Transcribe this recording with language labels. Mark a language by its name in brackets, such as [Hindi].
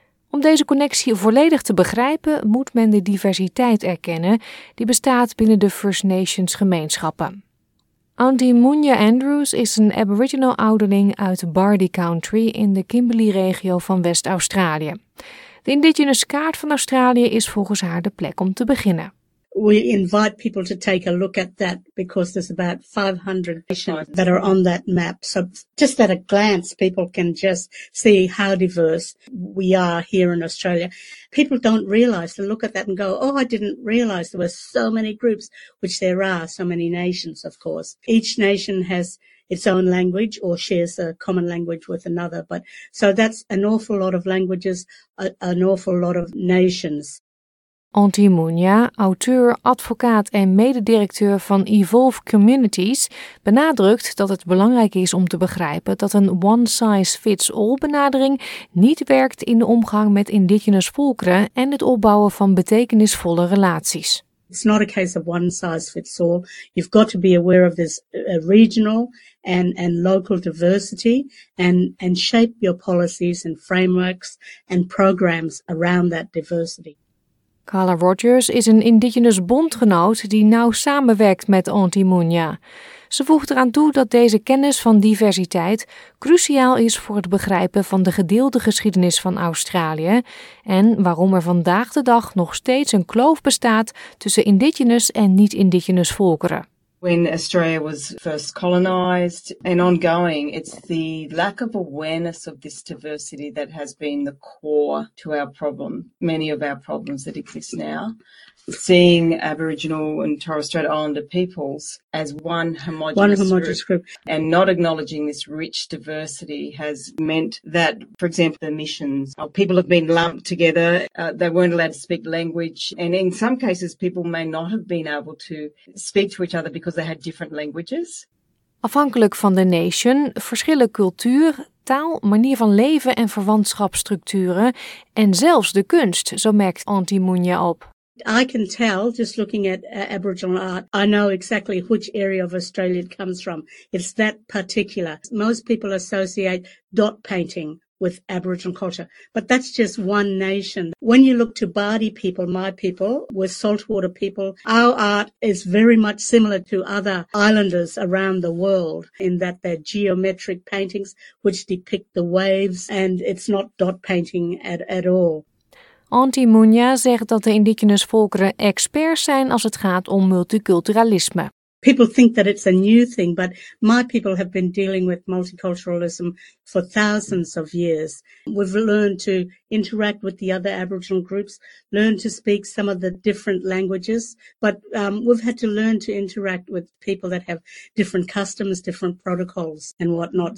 [Dutch] Om deze connectie volledig te begrijpen, moet men de diversiteit erkennen die bestaat binnen de First Nations gemeenschappen. Auntie Munya Andrews is een Aboriginal ouderling uit Bardi Country in de Kimberley-regio van West-Australië. De Indigenous kaart van Australië is volgens haar de plek om te beginnen. [English] We invite people to take a look at that because there's about 500 nations that are on that map. So just at a glance, people can just see how diverse we are here in Australia. People don't realize to look at that and go, oh, I didn't realize there were so many groups, which there are so many nations, of course. Each nation has its own language or shares a common language with another. But so that's an awful lot of languages, an awful lot of nations. [Dutch] Auntie Munya, auteur, advocaat en mededirecteur van Evolve Communities, benadrukt dat het belangrijk is om te begrijpen dat een one-size-fits-all benadering niet werkt in de omgang met indigenous volkeren en het opbouwen van betekenisvolle relaties. [English] It's not a case of one size fits all. You've got to be aware of this regional and local diversity and shape your policies and frameworks and programs around that diversity. [Dutch] Carla Rogers is een Indigenous bondgenoot die nauw samenwerkt met Auntie Munya. Ze voegt eraan toe dat deze kennis van diversiteit cruciaal is voor het begrijpen van de gedeelde geschiedenis van Australië en waarom er vandaag de dag nog steeds een kloof bestaat tussen Indigenous en niet-Indigenous volkeren. [English] When Australia was first colonized and ongoing, it's the lack of awareness of this diversity that has been the core to our problem, many of our problems that exist now. Seeing Aboriginal and Torres Strait Islander peoples as one homogenous group and not acknowledging this rich diversity has meant that, for example, the missions, people have been lumped together, they weren't allowed to speak language, and in some cases people may not have been able to speak to each other because they had different languages. [Dutch] Afhankelijk van de nation, verschillen cultuur, taal, manier van leven en verwantschapsstructuren en zelfs de kunst, zo merkt Auntie Munya op. [English] I can tell just looking at Aboriginal art. I know exactly which area of Australia it comes from. It's that particular. Most people associate dot painting with Aboriginal culture, but that's just one nation. When you look to Bardi people, my people, we're saltwater people, our art is very much similar to other islanders around the world in that they're geometric paintings which depict the waves, and it's not dot painting at all. [Dutch] Auntie Munya zegt dat de indigenous volkeren experts zijn als het gaat om multiculturalisme. [English] People think that it's a new thing, but my people have been dealing with multiculturalism for thousands of years. We've learned to interact with the other Aboriginal groups, learn to speak some of the different languages, but we've had to learn to interact with people that have different customs, different protocols and whatnot.